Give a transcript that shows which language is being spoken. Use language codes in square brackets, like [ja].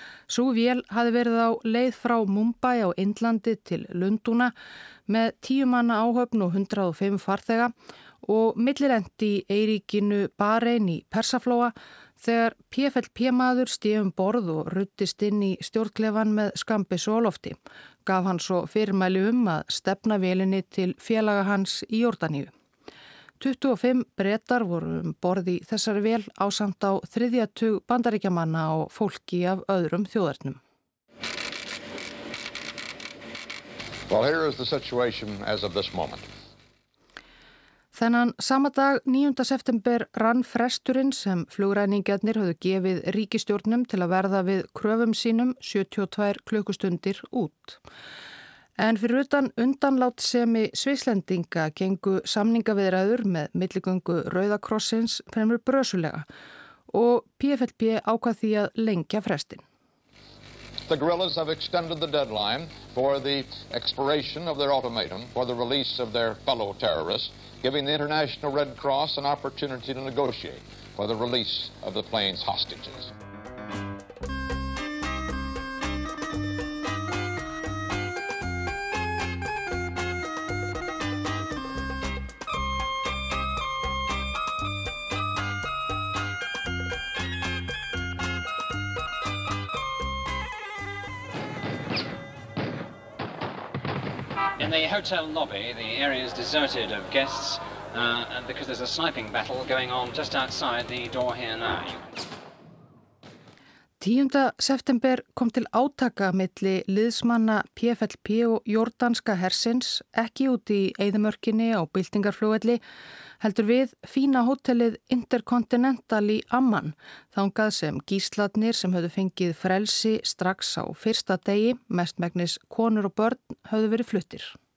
[is] Sú vél hafði verið á leið frá Mumbai á Indlandi til Lunduna með 10 manna áhöfn og 105 farþega og millirendi í eyríkinu Bahrein í Persaflóa þegar PFLP-maður stíðum borð og ruddist inn í stjórnklefan með skambis og lofti. Gaf hann svo fyrirmæli að stefna vélinni til félaga hans í Jórdaníu. 25 brettar voru borð í þessari vél ásamt á þriðja tug bandaríkjamanna og fólki af öðrum þjóðernum. [en] Well, here is the situation as of this moment. [is] Þennan sama dag 9. september rann fresturinn sem flugræningarnir höfðu gefið ríkisstjórnum til að verða við kröfum sínum 72 klukkustundir út. En fyrir utan undanlátsemi Svisslendinga gengu samningaviðræður með milligöngu Rauðakrossins fremur brösulega og PFLP ákvað því að lengja frestin. [en] The guerrillas have extended the deadline for the expiration of their ultimatum for the release of their fellow terrorists, giving the International Red Cross an opportunity to negotiate for the release of the plane's hostages. In the hotel lobby, the area is deserted of guests because there's a sniping battle going on just outside the door here now. [is] 10. september kom til átaka milli liðsmanna PFLP og jordanska hersins, ekki út í eyðumörkinni á byltingarflugvelli, heldur við fína hótelið Intercontinental í Amman, þangað sem gíslarnir sem höfðu fengið frelsi strax á fyrsta degi, mestmegnis konur og börn, höfðu verið fluttir.